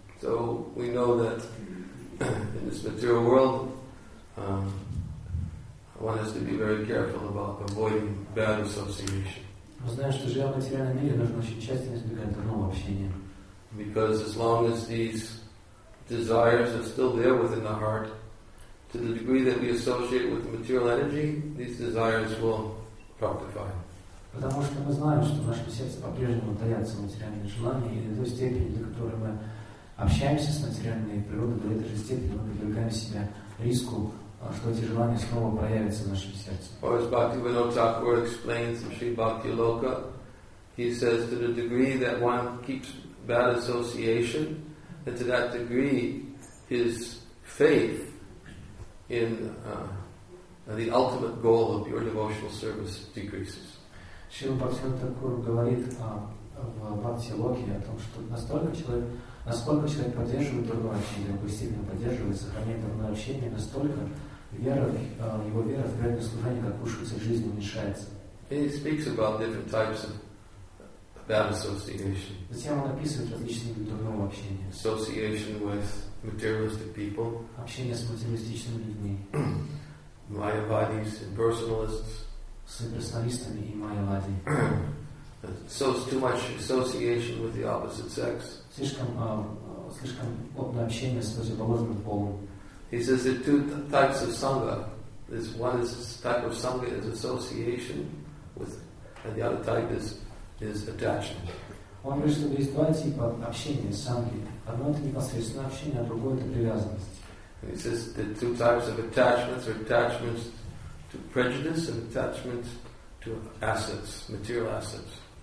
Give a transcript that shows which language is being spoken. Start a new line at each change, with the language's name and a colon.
English: So we know that in this material world, one has to be very careful about avoiding bad association.
Russian: Мы знаем, что живя в материальном мире, нужно очень тщательно избегать дурного общения.
English: Because as long as these desires are still there within the heart, to the degree that we associate with material energy, these desires will fructify.
Russian: Потому что мы знаем, что в нашем сердце по-прежнему таятся материальные желания, и до той степени, до которой мы общаемся с материальной природой, до этой же степени мы подвергаем себя риску, что эти желания снова проявятся в нашем сердце.
English: Or as Bhaktivinoda Thakur explains in Sri Bhakti Loka, he says, to the degree that one keeps bad association, and to that degree his faith in the ultimate goal of pure devotional service decreases.
Russian: Шрила Бхактивинода Тхакура говорит в Бхакти-йоге о том, что насколько человек поддерживает дурное общение, допустим, поддерживает, сохраняет дурное общение, настолько Вера, его вера в преданное служение, как рушится жизнь, уменьшается.
English: He speaks about different types of bad association.
Russian: Затем он описывает различные виды дурного общения.
English: Association with materialistic people.
Russian: Общение с материалистичными людьми.
English: Майявадис, impersonalists.
Russian: С имперсоналистами и майявади.
English: So it's too much association with the opposite sex.
Russian: Слишком плотное общение с противоположным полом.
English: He says there are two types of sangha. This one is type of sangha is association with, and the other type is attachment.
Russian: Он говорит, что есть два типа общения сангхи. Одно это непосредственное общение, а другое это привязанность.
English: He says the two types of attachments are attachments to prejudice and attachments to assets, material assets.